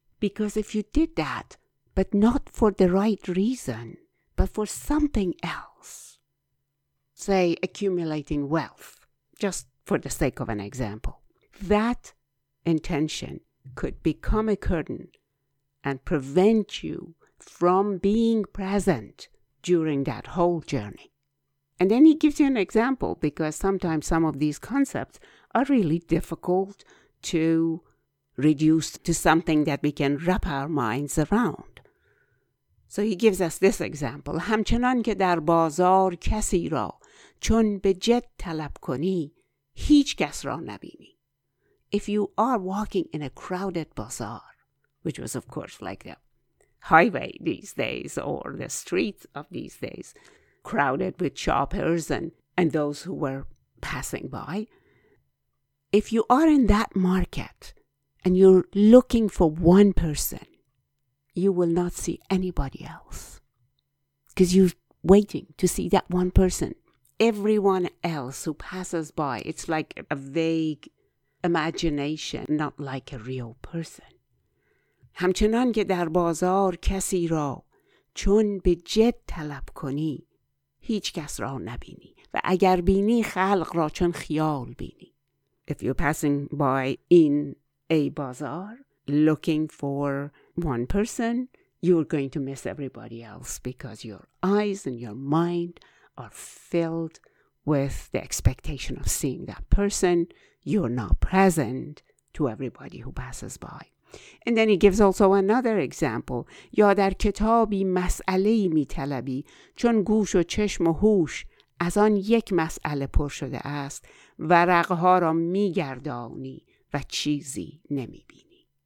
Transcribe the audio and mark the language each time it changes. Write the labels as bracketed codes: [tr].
[en] Because if you did that, but not for the right reason, but for something else, say accumulating wealth, just for the sake of an example, that intention could become a curtain and prevent you from being present during that whole journey. And then he gives you an example, because sometimes some of these concepts are really difficult to reduce to something that we can wrap our minds around. So he gives us this example. [fa] همچنان که در بازار کسی را چون به جد طلب کنی هیچ کس را نبینی. [en] If you are walking in a crowded bazaar, which was of course like the highway these days or the streets of these days, crowded with shoppers and those who were passing by. If you are in that market and you're looking for one person, you will not see anybody else because you're waiting to see that one person. Everyone else who passes by, it's like a vague imagination, not like a real person. [fa] همچنان که در بازار کسی را چون به جد طلب کنی هیچ کس را نبینی و اگر بینی خلق را چون خیال بینی. [en] If you're passing by in a bazaar looking for one person, you're going to miss everybody else because your eyes and your mind are filled with the expectation of seeing that person. You're not present to everybody who passes by. And then he gives also another example. [fa] یا در کتابی مسئله‌ای می‌طلبی چون گوش و چشم و هوش از آن یک مسئله پر شده است ورق‌ها را می‌گردانی و چیزی نمی‌بینی.